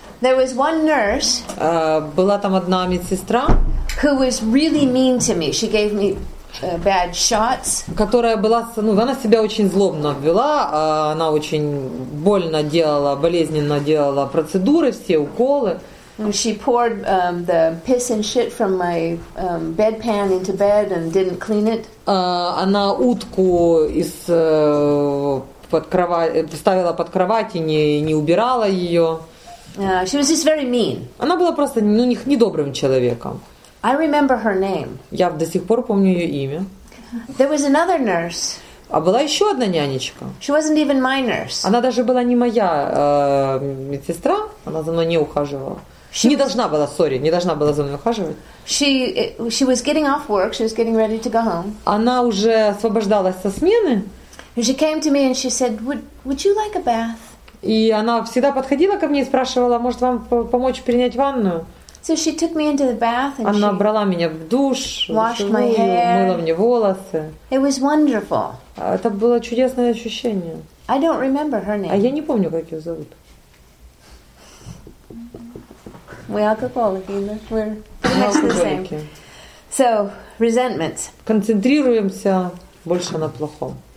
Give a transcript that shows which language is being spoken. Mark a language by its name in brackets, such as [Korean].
[English] There was one nurse. [Russian] Была там одна медсестра. [English] Who was really mean to me. She gave me bad shots. [Russian] Которая была, ну, она себя очень злобно ввела, она очень больно делала, болезненно делала процедуры, все уколы. [English] She poured the piss and shit from my bedpan into bed and didn't clean it. [Russian] Она утку из под кровать ставила под кровать и не убирала ее. [English] She was just very mean. [Russian] Она была просто, ну, не добрым человеком. [English] I remember her name. [Russian] Я до сих пор помню ее имя. [English] There was another nurse. [Russian] А была еще одна нянечка. [English] She wasn't even my nurse. [Russian] Она даже была не моя медсестра. Она за мной не ухаживала. Не должна была за мной ухаживать. [English] She was getting off work. She was getting ready to go home. [Russian] Она уже освобождалась со смены. [English] She came to me and she said, "Would you like a bath?" [Russian] И она всегда подходила ко мне и спрашивала, может вам помочь принять ванну? [English] So she took me into the bath and [Russian] она брала меня в душ, [English] washed my hair. [Russian] Мыла мне волосы. [English] It was wonderful. [Russian] Это было чудесное ощущение. [English] I don't remember her name. [Russian] А я не помню, как ее зовут. [English] We alcoholics, you know, we're pretty much the same. So, resentment. [Russian] Концентрируемся больше на плохом.